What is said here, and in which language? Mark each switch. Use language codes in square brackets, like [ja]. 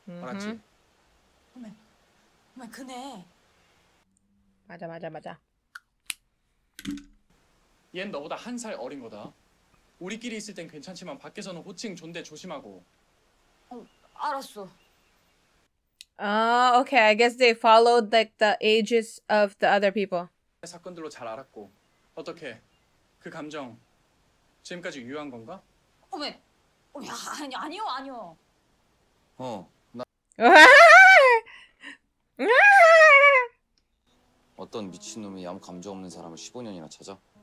[ko] 알았지? 어머. 그네. 맞아. 얜 너보다 한 살 어린 거다. 우리끼리 있을 땐 괜찮지만 밖에서는 호칭 존대 조심하고. 알았어. [en] Okay. I guess they followed like the ages of the other people. [ko] 사건들로 잘 알았고. 어떻게? 그 감정 지금까지 유효한 건가? 어메. 야, 아니요. 어. 나 어떤 미친놈이 아무 감정 없는 사람을 15년이나 찾아?